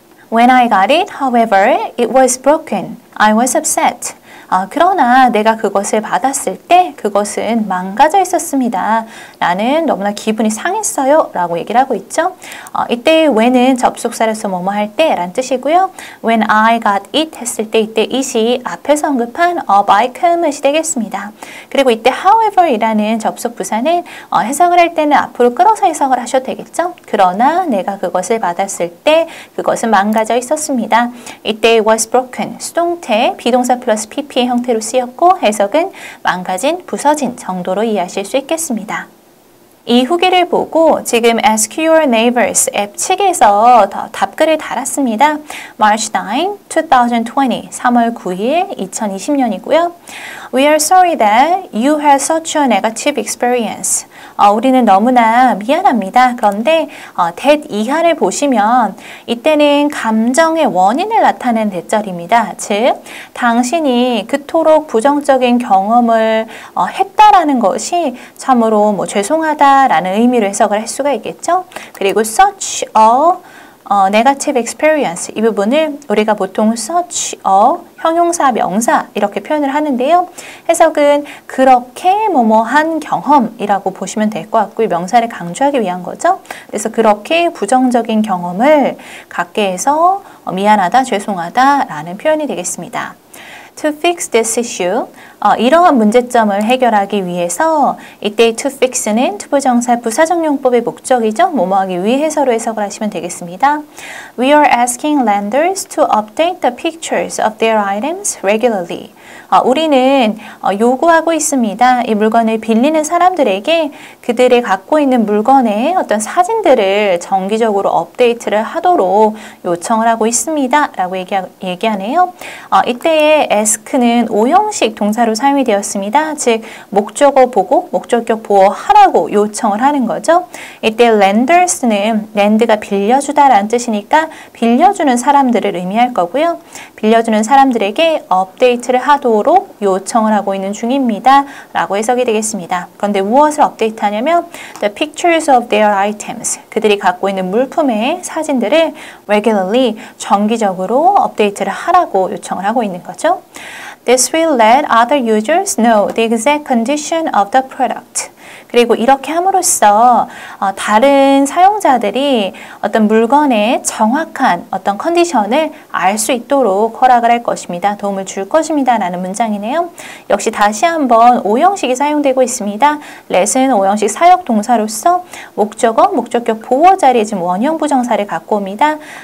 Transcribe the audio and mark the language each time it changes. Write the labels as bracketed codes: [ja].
[en] When I got it, however, it was broken. I was upset. [ko] 그러나 내가 그것을 받았을 때 그것은 망가져 있었습니다. 나는 너무나 기분이 상했어요 라고 얘기를 하고 있죠. 이때 when은 접속사로서 뭐뭐 할 때 라는 뜻이고요. When I got it 했을 때 이때 it이 앞에서 언급한 a bike이 되겠습니다. 그리고 이때 however 이라는 접속부사는 해석을 할 때는 앞으로 끌어서 해석을 하셔도 되겠죠. 그러나 내가 그것을 받았을 때 그것은 망가져 있었습니다. 이때 was broken 수동태 비동사 플러스 pp 형태로 쓰였고 해석은 망가진, 부서진 정도로 이해하실 수 있겠습니다. 이 후기를 보고 지금 Ask Your Neighbors 앱 측에서 답글을 달았습니다. March 9, 2020, 3월 9일 2020년이고요. [en] We are sorry that you had such a negative experience. [ko] 우리는 너무나 미안합니다. 그런데 that 이하를 보시면 이때는 감정의 원인을 나타낸 대절입니다. 즉, 당신이 그토록 부정적인 경험을 했다라는 것이 참으로 뭐 죄송하다라는 의미로 해석을 할 수가 있겠죠. 그리고 such a negative experience 이 부분을 우리가 보통 such a 형용사, 명사 이렇게 표현을 하는데요. 해석은 그렇게 뭐뭐한 경험이라고 보시면 될 것 같고 명사를 강조하기 위한 거죠. 그래서 그렇게 부정적인 경험을 갖게 해서 미안하다, 죄송하다라는 표현이 되겠습니다. To fix this issue, 이러한 문제점을 해결하기 위해서 이때 to fix는 to 부정사 부사적 용법의 목적이죠. 뭐뭐하기 위해서로 해석을 하시면 되겠습니다. [en] We are asking lenders to update the pictures of their items regularly. [ko] 우리는 요구하고 있습니다. 이 물건을 빌리는 사람들에게 그들이 갖고 있는 물건의 어떤 사진들을 정기적으로 업데이트를 하도록 요청을 하고 있습니다. 라고 얘기하네요. 이때의 ask는 오형식 동사로 사용이 되었습니다. 즉, 목적어 보고, 목적격 보호 하라고 요청을 하는 거죠. 이때 lenders는 lend가 빌려주다라는 뜻이니까 빌려주는 사람들을 의미할 거고요. 빌려주는 사람들에게 업데이트를 하도록 요청을 하고 있는 중입니다 라고 해석이 되겠습니다. 그런데 무엇을 업데이트 하냐면 The pictures of their items 그들이 갖고 있는 물품의 사진들을 regularly 정기적으로 업데이트를 하라고 요청을 하고 있는 거죠. [en] This will let other users know the exact condition of the product. [ko] 그리고 이렇게 함으로써 다른 사용자들이 어떤 물건의 정확한 어떤 컨디션을 알 수 있도록 허락을 할 것입니다. 도움을 줄 것입니다. 라는 문장이네요. 역시 다시 한번 오형식이 사용되고 있습니다. let은 오형식 사역 동사로서 목적어, 목적격 보호 자리에 지금 원형 부정사를 갖고 옵니다.